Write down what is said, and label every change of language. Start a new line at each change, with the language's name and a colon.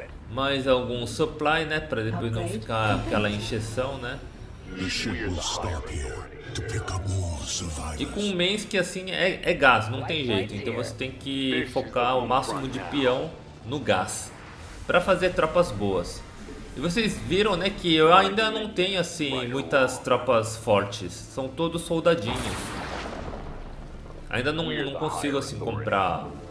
Portuguese: Mais algum supply, né, para depois não ficar aquela encheção, né?
English: The ship will stop here to pick up more survivors.
Portuguese: E com o Mensky que assim é gás, não tem jeito. Então você tem que focar o máximo de peão no gás para fazer tropas boas. E vocês viram, né, que eu ainda não tenho assim muitas tropas fortes. São todos soldadinhos. Ainda não consigo assim comprar.